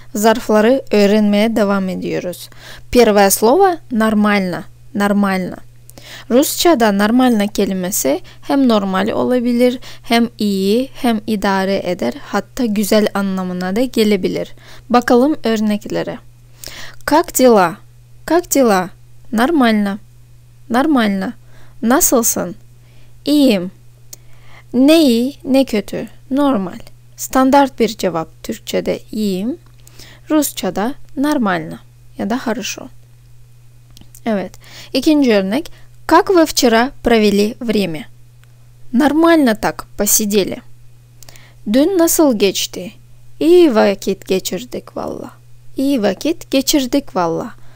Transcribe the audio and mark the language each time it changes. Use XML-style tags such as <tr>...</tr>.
<tr>Zarfları öğrenmeye devam ediyoruz.</tr> <ru>Первое слово нормально. Нормально.</ru> <tr>Русчада нормально kelimesi hem normal olabilir, hem iyi, hem idare eder, hatta güzel anlamına da gelebilir. Bakalım örneklere.</tr> <ru>Как дела? Как дела? Нормально. Нормально.</ru> <tr>Nasılsın? İyiyim. Ne iyi, ne kötü? Normal. Стандарт бир cevap Türkçe'de iyiyim, Rusça'da нормально ya da хорошо. Evet, ikinci örnek.</tr> <ru>Как вы вчера провели время? Нормально так посидели.</ru> <tr>Dün nasıl geçti? İyi vakit geçirdik valla. İyi vakit geçirdik valla.</tr>